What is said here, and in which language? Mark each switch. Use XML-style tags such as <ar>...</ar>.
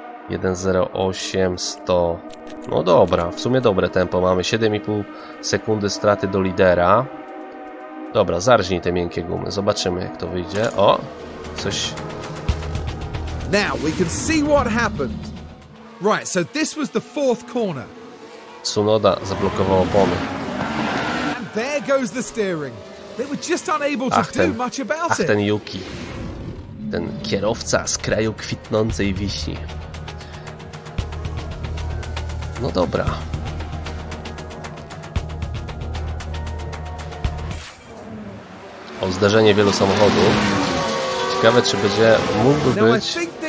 <pl>1.08.100. No dobra, w sumie dobre tempo mamy. 7,5 sekundy straty do lidera. Dobra, zarżnij te miękkie gumy. Zobaczymy, jak to wyjdzie. O, coś.</pl> <en>Now we can see what happened. Right, so this was the fourth corner.</en> <pl>Tsunoda zablokował opony.</pl> <en>And there goes the steering. They were just unable to do much about it.</en> <pl>Ach, ten Yuki. Ten kierowca z kraju kwitnącej wiśni. No dobra. O, zderzenie wielu samochodów. Ciekawe, czy będzie mógłby być...</pl>